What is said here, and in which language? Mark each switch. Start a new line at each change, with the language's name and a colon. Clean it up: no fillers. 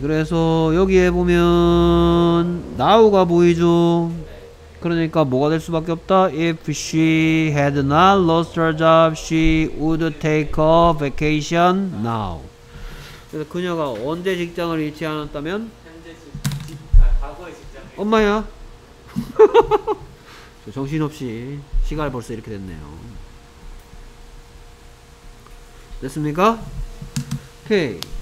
Korean: 그래서 여기에 보면 now가 보이죠. 그러니까 뭐가 될 수밖에 없다.
English: If she had not lost her job, she would take a vacation now.
Korean: 그래서 그녀가 언제 직장을 잃지 않았다면? 과거의 직장. 엄마야. 정신없이 시간이 벌써 이렇게 됐네요. 됐습니까? 오케이.